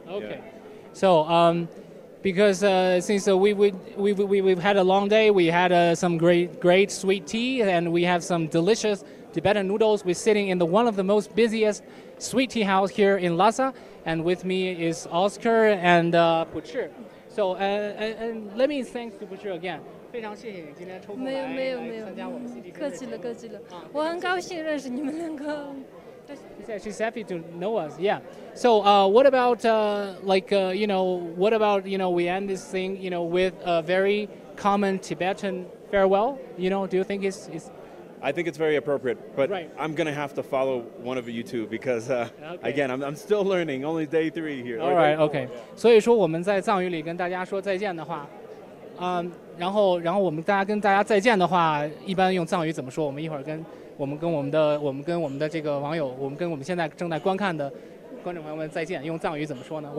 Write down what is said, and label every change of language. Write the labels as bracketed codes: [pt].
[en] Okay. Yeah. So, because since we've had a long day, we had some great sweet tea, and we have some delicious Tibetan noodles. We're sitting in one of the most busiest sweet tea house here in Lhasa, and with me is Oscar and Puchi. So, and let me thank Puchi again. [zh] 非常谢谢你今天抽空来参加我们 CGTN 的节目。客气了，我很高兴认识你们两个。 [en] She's happy to know us. Yeah. So, what about you know, what about, you know, we end this thing, you know, with a very common Tibetan farewell? You know, do you think it's I think it's very appropriate, but right. I'm going to have to follow one of you two because, okay. again, I'm still learning. Only day three here. All right, okay. [zh] 所以说我们在藏语里跟大家说再见的话，然后我们大家跟大家再见的话，一般用藏语怎么说？我们跟我们的这个网友，我们跟我们现在正在观看的观众朋友们再见，用藏语怎么说呢？